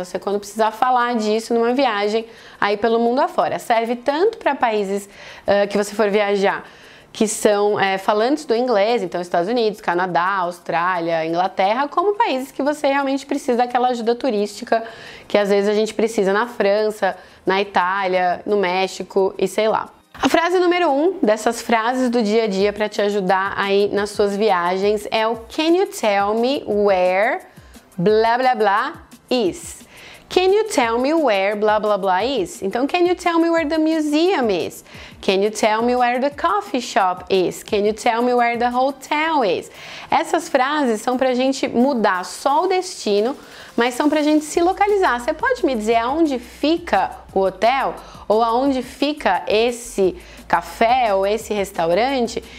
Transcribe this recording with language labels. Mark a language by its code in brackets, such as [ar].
[pt] Você, quando precisar falar disso numa viagem aí pelo mundo afora, serve tanto para países que você for viajar que são falantes do inglês, então Estados Unidos, Canadá, Austrália, Inglaterra, como países que você realmente precisa daquela ajuda turística que às vezes a gente precisa na França, na Itália, no México e sei lá. A frase número 1 dessas frases do dia a dia para te ajudar aí nas suas viagens é o [en] Can you tell me where blah blah blah is? Can you tell me where blah blah blah is? [pt] Então, [en] can you tell me where the museum is? Can you tell me where the coffee shop is? Can you tell me where the hotel is? [pt] Essas frases são pra gente mudar só o destino, mas são pra gente se localizar. Você pode me dizer aonde fica o hotel? Ou aonde fica esse café ou esse restaurante?